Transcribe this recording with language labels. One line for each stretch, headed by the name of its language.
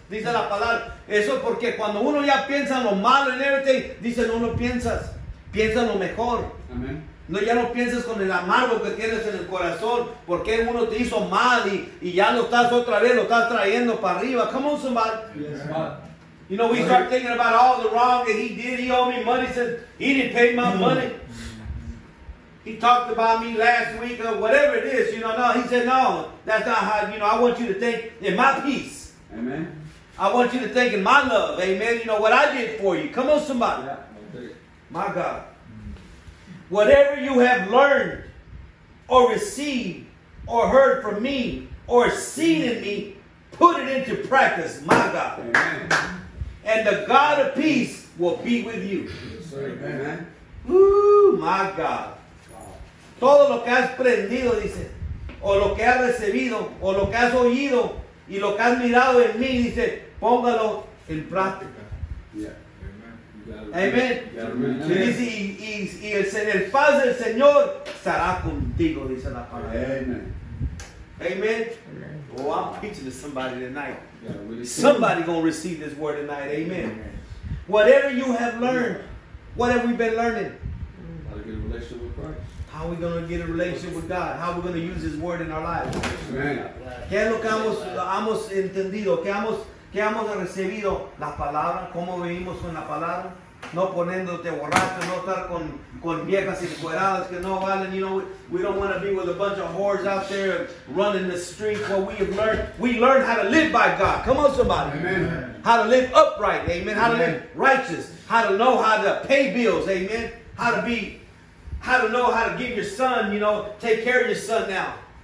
Spanish: Dice la palabra, eso porque cuando uno ya piensa en lo malo y everything, dice no lo piensas, piensa en lo mejor.
English: Amen.
Spanish: No, ya no piensas con el amargo que tienes en el corazón, porque uno te hizo mal y ya lo estás otra vez, lo estás trayendo para arriba.
English: Come on, somebody. Yes. You know, we money. Start thinking about all the wrong that he did. He owed me money, said he didn't pay my money. He talked about me last week or whatever it is. You know, no, he said, no, that's not how, you know, I want you to think in my peace. Amen. I want you to thank in my love, amen, you know, what I did for you. Come on, somebody. Yeah, my God. Whatever you have learned or received or heard from me or seen in me, put it into practice, my God. Amen. And the God of peace will be with you. Amen. Ooh, my God.
Spanish: Todo lo que has aprendido, dice, o lo que has recibido, o lo que has oído, y lo que has mirado en mí, dice, póngalo en práctica.
English: Yeah. Amen. Amen.
Spanish: Dice, y el paz del Señor estará contigo, dice la palabra.
English: Amen. Amen. Oh, I'm preaching to somebody tonight. Somebody going to receive this word tonight. Amen. Whatever you have learned, what have we been learning? How to get a relationship with Christ. How are we going to get a relationship with God? How are we going to use his word in our lives? Amen.
Spanish: ¿Qué es lo que hemos entendido? ¿Qué hemos recibido? La palabra. ¿Cómo vivimos con la palabra? No poniéndote borracho, no estar con viejas encueradas que no valen.
English: You know, we don't want to be with a bunch of whores out there running the streets. What we have learned, we learn how to live by God. Come on, somebody. Amen. How to live upright. Amen. How to live righteous. How to know how to pay bills. Amen. How to know how to give your son, you know, take care of your son now.